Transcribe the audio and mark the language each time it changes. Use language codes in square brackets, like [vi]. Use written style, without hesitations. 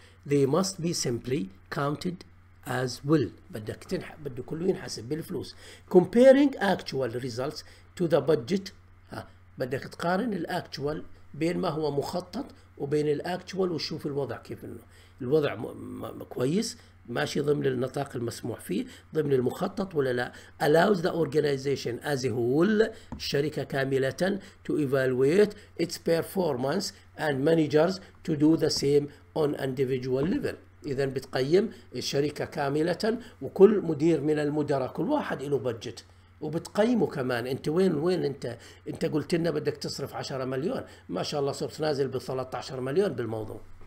[en] They must be simply counted as well، [ar] بدك تنحسب، بده كله ينحسب بالفلوس. [en] comparing actual results to the budget، [ar] ها بدك تقارن الاكتوال بين ما هو مخطط وبين الاكتوال، وشوف الوضع كيف، انه الوضع كويس ماشي ضمن النطاق المسموح فيه ضمن المخطط ولا لا. [en] allows the organization as a whole، [ar] الشركة كاملة، [en] to evaluate its performance and managers to do the same on individual level. [ar] إذا بتقيم الشركة كاملة وكل مدير من المدراء كل واحد له بجت، وبتقيمه كمان أنت وين وين أنت؟ أنت قلت لنا بدك تصرف 10 مليون، ما شاء الله صرت نازل ب 13 مليون بالموضوع.